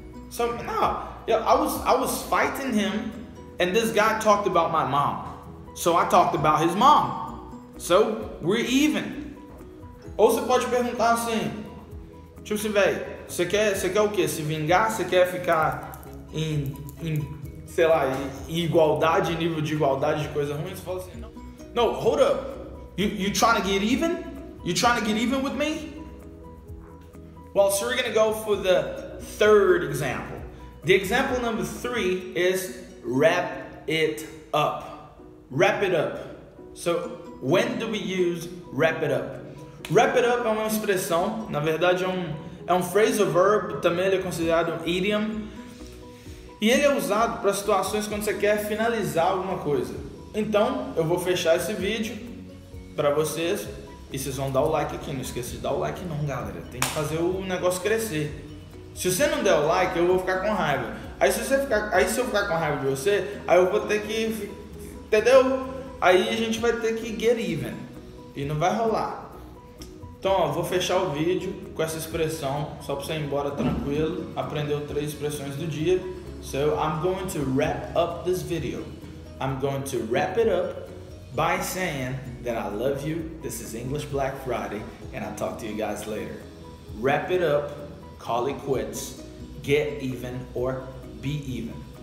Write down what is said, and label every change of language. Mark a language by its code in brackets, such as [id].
[en] So, no, I was fighting him, and this guy talked about my mom. So I talked about his mom. So we're even. [pt] Ou você pode perguntar assim, tipo assim, velho, você quer o quê? Se vingar? Você quer ficar em sei lá, em igualdade, em nível de igualdade de coisa ruim? Você fala assim, não. [en] No, hold up. You trying to get even? You trying to get even with me? Well, so we're going to go for the third example. The example number three is wrap it up. Wrap it up. So, when do we use wrap it up? [pt] Wrap it up é uma expressão, na verdade é um phrasal verb, também ele é considerado um idiom. E ele é usado para situações quando você quer finalizar alguma coisa. Então, eu vou fechar esse vídeo para vocês. E vocês vão dar o like aqui, não esqueça de dar o like não, galera. Tem que fazer o negócio crescer. Se você não der o like, eu vou ficar com raiva. Aí se eu ficar com raiva de você, aí eu vou ter que... Entendeu? Aí a gente vai ter que get even. E não vai rolar. Então, ó, vou fechar o vídeo com essa expressão. Só pra você ir embora tranquilo. Aprendeu 3 expressões do dia. [en] So, I'm going to wrap up this video. I'm going to wrap it up by saying that I love you. This is English Black Friday, and I'll talk to you guys later. Wrap it up, call it quits, get even, or be even.